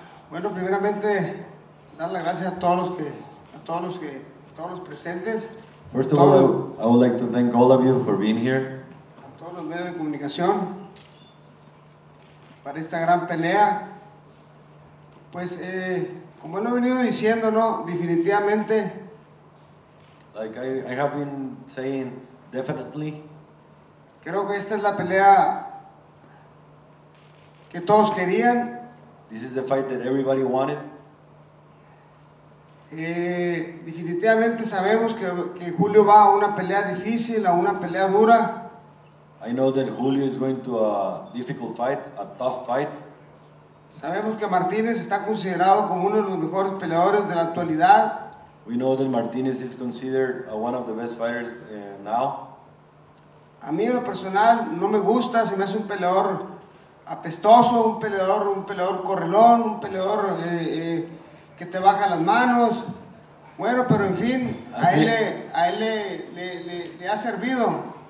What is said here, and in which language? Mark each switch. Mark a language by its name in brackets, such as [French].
[Spanish] Bueno, primeramente, dar las gracias a todos los presentes. [English] First of all, I would like to thank all of you for being here. [Spanish] A todos los medios de comunicación para esta gran pelea. Pues, como lo he venido diciendo, no, definitivamente. [English] Like I have been saying, definitely. [Spanish] Creo que esta es la pelea que todos querían. [English] This is the fight that everybody wanted. [Spanish] Definitivamente sabemos que Julio va a una pelea difícil, a una pelea dura. [English] I know that Julio is going to a difficult fight, a tough fight. [Spanish] Sabemos que Martínez está considerado como uno de los mejores peleadores de la actualidad. [English] We know that Martinez is considered one of the best fighters now. [Spanish] A mí en lo personal no me gusta, se me hace un peleador apestoso, un peleador correlón, un peleador que te baja las manos. Bueno, pero en fin, a él le ha servido.